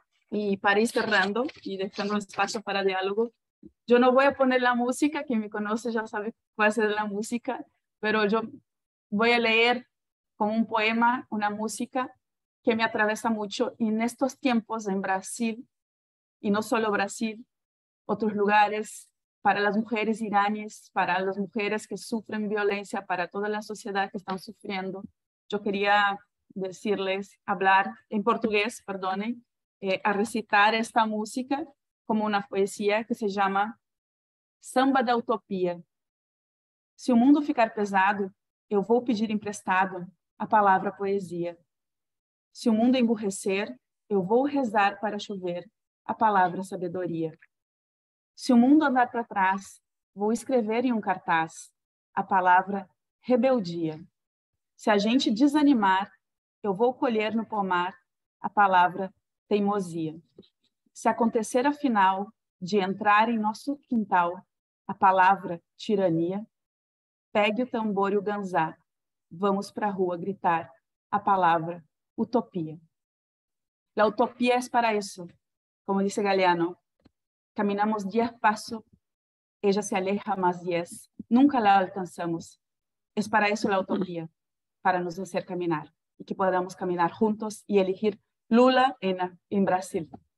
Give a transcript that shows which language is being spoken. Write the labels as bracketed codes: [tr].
[es] Y para ir cerrando y dejando espacio para diálogo, yo no voy a poner la música, quien me conoce ya sabe cuál es la música, pero yo voy a leer como un poema, una música que me atraviesa mucho en estos tiempos en Brasil, y no solo Brasil, otros lugares, para las mujeres iraníes, para las mujeres que sufren violencia, para toda la sociedad que están sufriendo. Yo quería decirles, hablar en portugués, perdonen, a recitar esta música como una poesía que se llama Samba da Utopia. Si el [pt] mundo ficar pesado, eu vou pedir emprestado a palavra poesia. Se o mundo emburrecer, eu vou rezar para chover a palavra sabedoria. Se o mundo andar para trás, vou escrever em um cartaz a palavra rebeldia. Se a gente desanimar, eu vou colher no pomar a palavra teimosia. Se acontecer afinal de entrar em nosso quintal a palavra tirania, pegue o tambor e o ganzá, vamos para a rua gritar a palavra utopia. [es] La utopia es para eso, como dice Galeano. Caminamos 10 pasos, ella se aleja más 10, nunca la alcanzamos. Es para eso la utopia, para nos hacer caminar, y que podamos caminar juntos y elegir Lula en Brasil.